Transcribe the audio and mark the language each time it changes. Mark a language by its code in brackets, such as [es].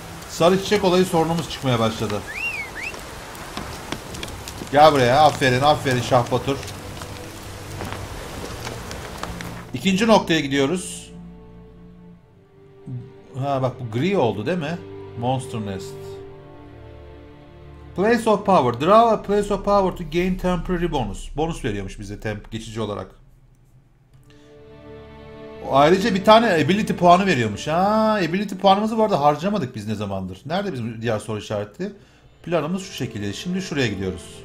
[tr] Sarı çiçek olayı sorunumuz çıkmaya başladı. Gel buraya, aferin, aferin Şah Batur. İkinci noktaya gidiyoruz. Ha bak, bu gri oldu değil mi? [en] Monster Nest. Place of Power. Draw a Place of Power to gain temporary bonus. [tr] Bonus veriyormuş bize temp geçici olarak. Ayrıca bir tane ability puanı veriyormuş. Ha, ability puanımızı bu arada harcamadık biz ne zamandır. Nerede bizim diğer soru işareti? Planımız şu şekilde. Şimdi şuraya gidiyoruz.